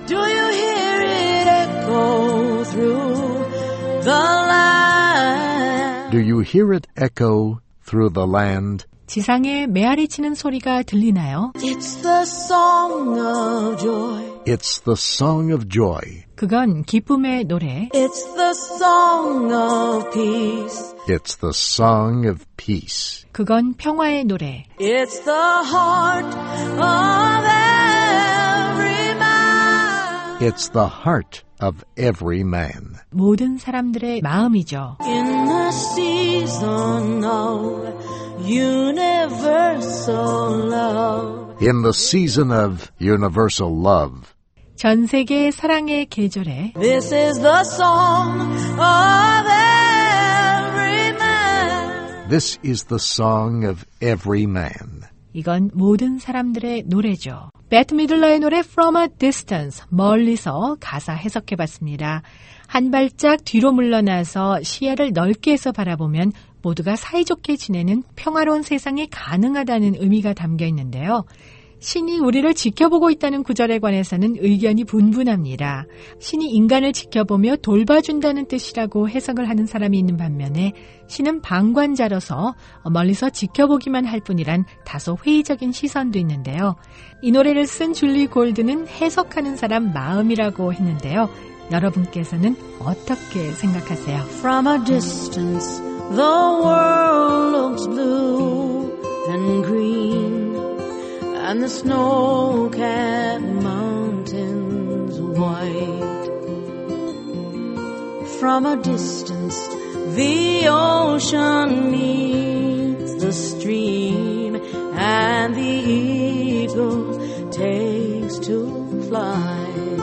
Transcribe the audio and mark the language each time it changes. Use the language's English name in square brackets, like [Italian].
[English] Do you hear it echo through the land? Do you hear it echo through the land? [Korean] 지상에 메아리 치는 소리가 들리나요? [English] It's the song of joy. It's the song of joy. [Korean] 그건 기쁨의 노래. [English] It's the song of peace. It's the song of peace. [Korean] 그건 평화의 노래. [English] It's the heart of every man. It's the heart of every man. [Korean] 모든 사람들의 마음이죠. [English] In the season of universal love. In the season of universal love. [Korean] 전 세계 사랑의 계절에 [English] This is the song of every man. This is the song of every man. [Korean] 이건 모든 사람들의 노래죠. 배트 미들러의 노래 From a Distance, 멀리서 가사 해석해봤습니다. 한 발짝 뒤로 물러나서 시야를 넓게 해서 바라보면 모두가 사이좋게 지내는 평화로운 세상이 가능하다는 의미가 담겨있는데요. 신이 우리를 지켜보고 있다는 구절에 관해서는 의견이 분분합니다. 신이 인간을 지켜보며 돌봐준다는 뜻이라고 해석을 하는 사람이 있는 반면에 신은 방관자로서 멀리서 지켜보기만 할 뿐이란 다소 회의적인 시선도 있는데요. 이 노래를 쓴 줄리 골드는 해석하는 사람 마음이라고 했는데요. 여러분께서는 어떻게 생각하세요? [English] From a distance, the world looks blue and green. And the snow-capped mountains white. From a distance, the ocean meets the stream, and the eagle takes to flight.